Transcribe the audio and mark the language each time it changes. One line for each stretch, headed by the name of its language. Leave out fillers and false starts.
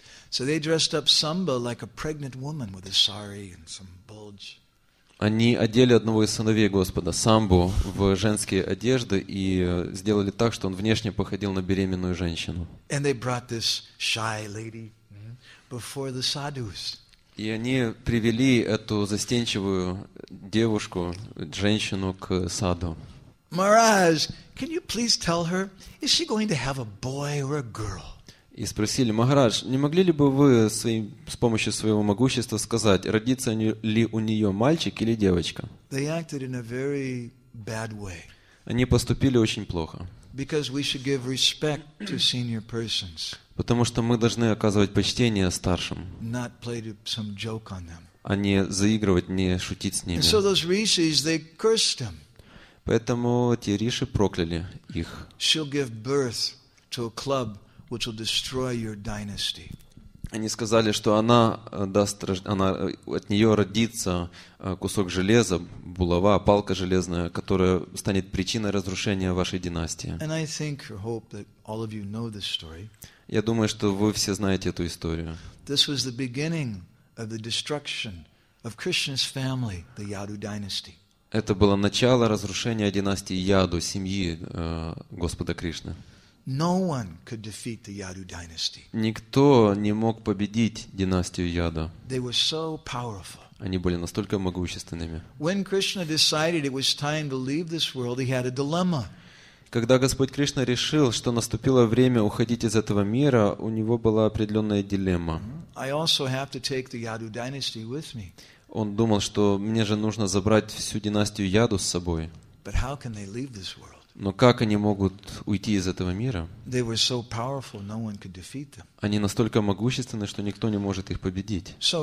English: So they dressed up Samba like a pregnant woman with a sari and some bulge.
Russian: Они одели одного из сыновей Господа, Самбу, в женские одежды и сделали так, что он внешне походил на беременную женщину.
English: And they brought this shy lady before the sadhus.
Russian: И они привели эту застенчивую девушку, женщину к саду.
English: Maharaj, can you please tell her, is she going to have a boy or a girl?
Russian: И спросили: Maharaj, не могли ли бы вы с помощью своего могущества сказать, родится ли у нее мальчик или девочка?
English: They acted in a very bad way.
Russian: Они поступили очень плохо.
English: Because we should give respect to senior persons.
Russian: Потому что мы должны оказывать почтение старшим,
English: not play some joke on them.
Russian: А не заигрывать, не шутить с ними.
English: And so those rishis, they cursed them.
Russian: Поэтому эти риши прокляли их.
English: She'll give birth to a club which will destroy your dynasty.
Russian: Они сказали, что она даст, она, от нее родится кусок железа, булава, палка железная, которая станет причиной разрушения вашей династии.
English: And I think or hope that all of you know this story.
Russian: Я думаю, что вы все знаете эту историю.
English: This was the beginning of the destruction of Krishna's family, the Yadu dynasty.
Russian: Это было начало разрушения династии Яду, семьи Господа Кришны.
English: No one could defeat the Yadu dynasty.
Russian: Никто не мог победить династию Яду.
English: They were so powerful.
Russian: Они были настолько могущественными.
English: When Krishna decided it was time to leave this world, he had a dilemma.
Russian: Когда Господь Кришна решил, что наступило время уходить из этого мира, у него была определенная дилемма.
English: I also have to take the Yadu dynasty with me.
Russian: Он думал, что мне же нужно забрать всю династию Яду с собой.
English: But how can they leave this world?
Russian: Но как они могут уйти из этого мира?
English: So powerful, no one could defeat them.
Russian: Они настолько могущественны, что никто не может их победить.